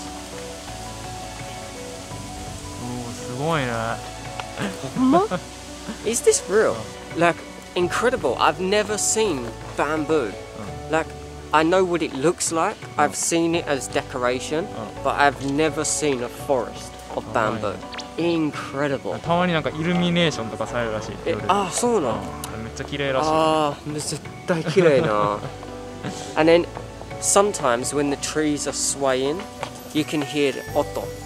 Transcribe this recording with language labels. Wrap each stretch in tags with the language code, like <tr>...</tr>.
<ja>Oh, すごいね。</ja> <en>ま。Is this real? Like, incredible. I've never seen bamboo. Like, I know what it looks like. I've seen it as decoration. But I've never seen a forest of bamboo. Incredible.</en> <ja>たまになんかイルミネーションとかされるらしい。ああ、そうなの。めっちゃ綺麗らしい。ああ、絶対綺麗な。</ja> <en>And then, sometimes when the trees are swaying, you can hear 音。</en>